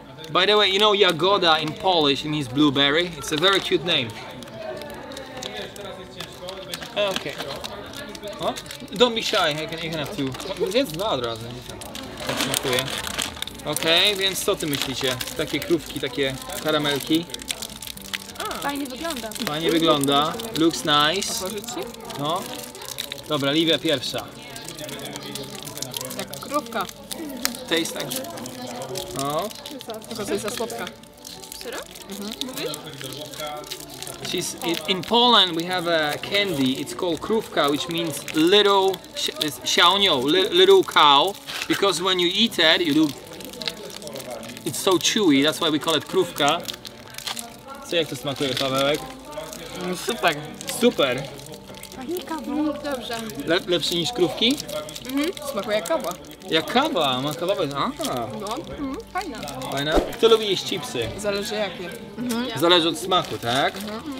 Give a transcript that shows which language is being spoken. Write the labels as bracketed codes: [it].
[en] By the way, you know Jagoda in Polish means blueberry? It's a very cute name. Okay. Huh? Don't be shy, you can have two. [pl] Jest dwa od razu. Tak smakuje. Okej, okay, więc co ty myślicie? Takie krówki, takie karamelki. Fajnie wygląda. Fajnie wygląda. [en] Looks nice. [pl] No. Dobra, Livia pierwsza. Jak krówka. [en] Taste tak. [pl] No. Tylko to jest za słodka. [en] Mm-hmm. She's in Poland. We have a candy. It's called krówka, which means little xiaonio, little cow. Because when you eat it, you do. It's so chewy. That's why we call it krówka. [pl] Co jak to smakuje, Pawełek? Super. Super. Pachnie kawą. Dobrze. Lepszy niż krówki? Mm-hmm. Smakuje jak kawa. Jak kawa, ma kawowe. Aha. No, fajna. Fajna? Kto lubi jeść chipsy? Zależy jakie. Mhm. Zależy od smaku, tak? Mhm.